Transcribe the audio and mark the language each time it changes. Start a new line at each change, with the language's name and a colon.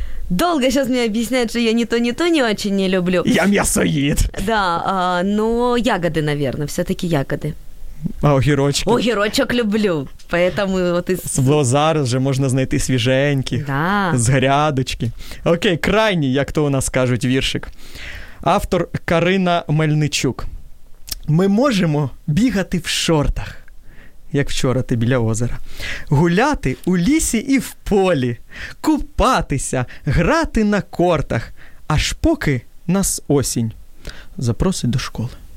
Russian: Долго сейчас мне объясняют, что я ни то не очень не люблю. Я мясоед. Да, но ягоды, наверное, все-таки ягоды.
Ukrainian: А огірочки? Огірочок люблю,
Russian: поэтому вот и...
Ukrainian: Зараз же можна знайти свіженьких, да. З грядочки. Окей, крайній, як то у нас кажуть, віршик. Автор Карина Мельничук. Ми можемо бігати в шортах. Як вчора ти біля озера. Гуляти у лісі і в полі. Купатися, грати на кортах. Аж поки нас осінь запросить до школи.